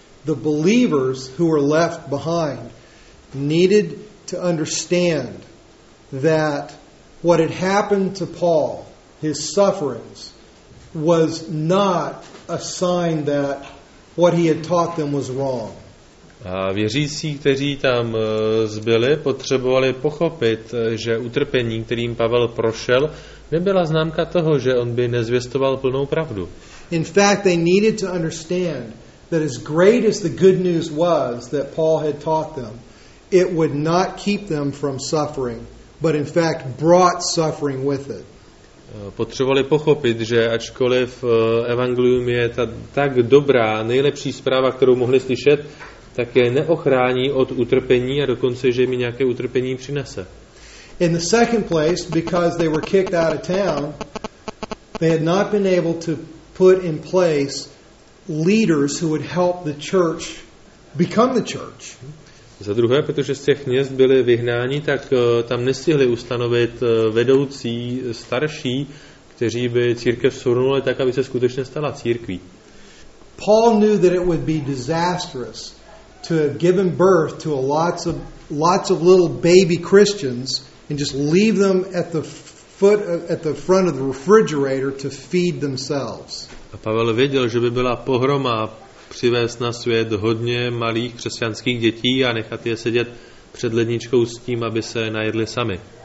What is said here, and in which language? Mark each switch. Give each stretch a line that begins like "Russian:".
English: The believers who were left behind needed to understand that what had happened to Paul, his sufferings, was not a sign that what he had taught them was wrong.
Czech: A věřící, kteří tam zbyli, potřebovali pochopit, že utrpení, kterým Pavel prošel, nebyla známka toho, že on by nezvěstoval plnou pravdu.
English: In fact, they needed to understand that as great as the good news was that Paul had taught them, it would not keep them from suffering, but in fact brought suffering with it.
Czech: Potřebovali pochopit, že ačkoliv evangelium je ta tak dobrá, nejlepší zpráva, kterou mohli slyšet, tak je neochrání od utrpení a dokonce, že mi nějaké utrpení přinese.
English: In the second place, because they were kicked out of town, they had not been able to put in place leaders who would help the church become the church.
Czech: Za druhé, protože z těch měst byli vyhnáni, tak tam nestihli ustanovit vedoucí, starší, kteří by církev shrnuli tak, aby se skutečně stala církví.
English: Paul knew that it would be disastrous to have given birth to a lots of little baby Christians and just leave them at the front of the refrigerator to feed themselves.
Czech: A Pavel věděl, že by byla pohroma přivést na svět hodně malých křesťanských dětí a nechat je sedět před ledničkou s tím, aby se najedli sami.